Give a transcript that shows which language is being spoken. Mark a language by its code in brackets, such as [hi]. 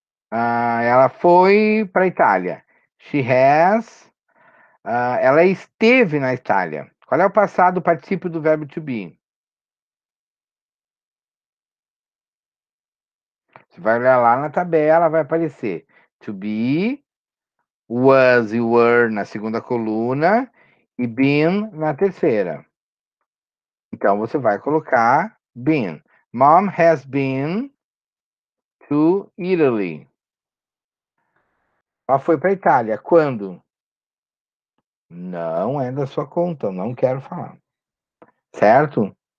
[pt] Ela foi para a Itália. [en] She has. [pt] Ela esteve na Itália. Qual é o passado participio do verbo to be? Você vai olhar lá na tabela, vai aparecer. To be, was e were na segunda coluna e been na terceira. Então, você vai colocar been. [en] Mom has been to Italy. [pt] Ela foi para a Itália. Quando? Não é da sua conta. Não quero falar. Certo?